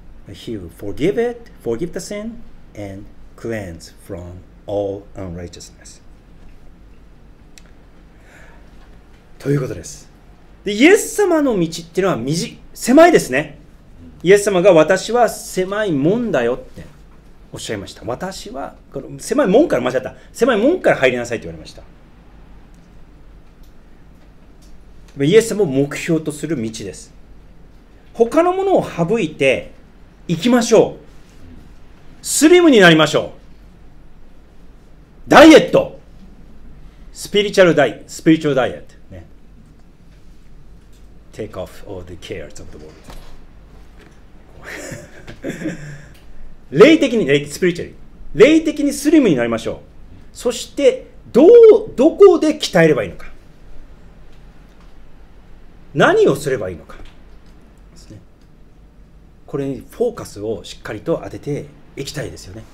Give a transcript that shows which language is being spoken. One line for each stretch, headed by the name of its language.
English: He will forgive it, forgive the sin, and cleanse from all unrighteousness.
Japanese: ということです。で、イエス様の道っていうのは狭いですね。イエス様が私は狭いもんだよっておっしゃいました。私は、この狭い門から、間違った。狭い門から入りなさいって言われました。イエス様を目標とする道です。他のものを省いて行きましょう。スリムになりましょう。ダイエット。スピリチュアルダイエット。ね。
English: Take off all the cares of the world.
Japanese: 霊的に、スピリチュアル。霊的にスリムになりましょう。そして、どこで鍛えればいいのか。何をすればいいのか。これにフォーカスをしっかりと当てていきたいですよね。